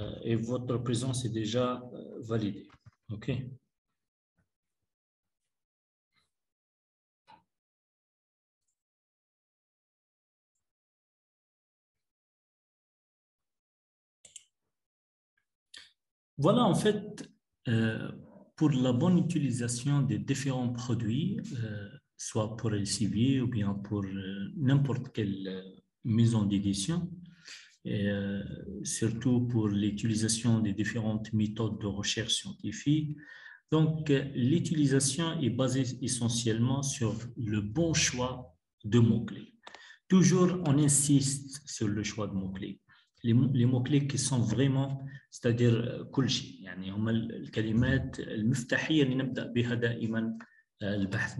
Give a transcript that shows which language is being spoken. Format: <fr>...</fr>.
<fr>et votre présence est déjà validée ok Voilà, en fait, pour la bonne utilisation des différents produits, soit pour LCB ou bien pour n'importe quelle maison d'édition, surtout pour l'utilisation des différentes méthodes de recherche scientifique, donc l'utilisation est basée essentiellement sur le bon choix de mots-clés. Toujours, on insiste sur le choix de mots-clés. Les mots-clés qui sont vraiment, c'est-à-dire</fr> <ar>كلشي, يعني هما الكلمات المفتاحية اللي نبدأ بها دائما البحث.</ar>